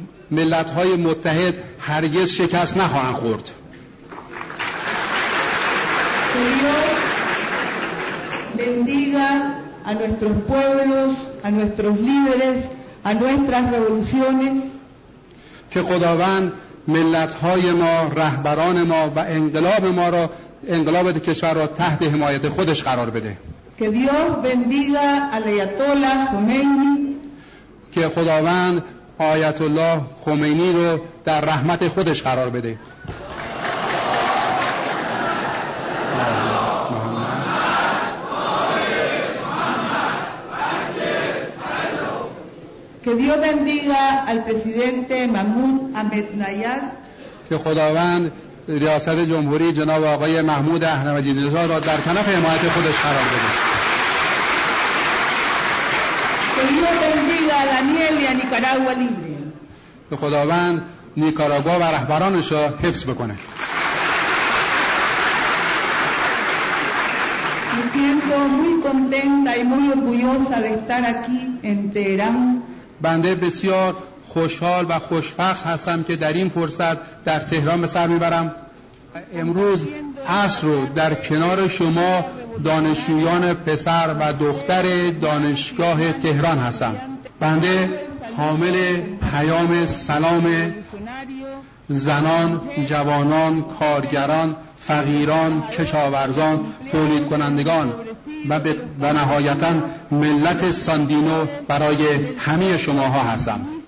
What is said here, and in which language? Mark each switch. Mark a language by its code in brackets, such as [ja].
[fa] ملت‌های متحد هرگز شکست نخواهند خورد. [es] Que Dios bendiga a nuestros pueblos, a nuestros líderes, a nuestras revoluciones. [fa] که خداوند ملت‌های ما، رهبران ما و انقلاب ما را، انقلاب کشور را تحت حمایت خودش قرار بده. [es] Que Dios bendiga al Ayatollah Khomeini. [fa] که خداوند آیت الله خمینی رو در رحمت خودش قرار بده. [es] Que Dios bendiga al presidente Mahmoud Ahmadinejad. [fa] که خداوند ریاست جمهوری جناب آقای محمود احمدی‌نژاد را در کنف حمایت خودش قرار بده. که خداوند نیکاراگوا و رهبرانش را حفظ بکنه. [es] Me siento muy contenta y muy orgullosa de estar aquí en Teherán. [fa] بنده بسیار خوشحال و خوشبخت هستم که در این فرصت در تهران به سر میبرم. امروز عصر رو در کنار شما دانشجویان پسر و دختر دانشگاه تهران هستم. بنده حامل پیام سلام زنان، جوانان، کارگران، فقیران، کشاورزان، تولید کنندگان و نهایتا ملت ساندینو برای همه شماها هستم.